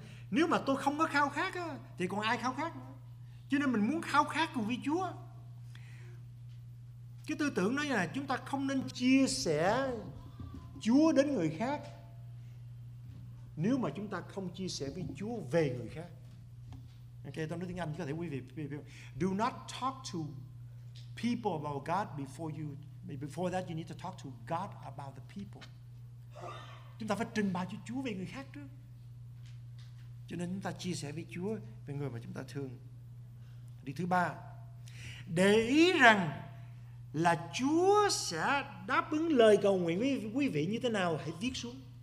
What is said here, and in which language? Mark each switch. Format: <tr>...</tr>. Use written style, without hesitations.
<vi>Nếu mà tôi không có khao khát á, thì còn ai khao khát nữa? Cho nên mình muốn khao khát cùng với Chúa. Cái tư tưởng nói là chúng ta không nên chia sẻ Chúa đến người khác nếu mà chúng ta không chia sẻ với Chúa về người khác. Ok, tôi nói tiếng Anh, có thể quý vị.</vi> <en>Do not talk to people about God before you. Before that, you need to talk to God about the people.</en> <vi>Chúng ta phải trình bày cho Chúa về người khác trước. Cho nên chúng ta chia sẻ với Chúa về người mà chúng ta thương. Điều thứ ba, để ý rằng là Chúa sẽ đáp ứng lời cầu nguyện với quý vị như thế nào, hãy viết xuống.</vi>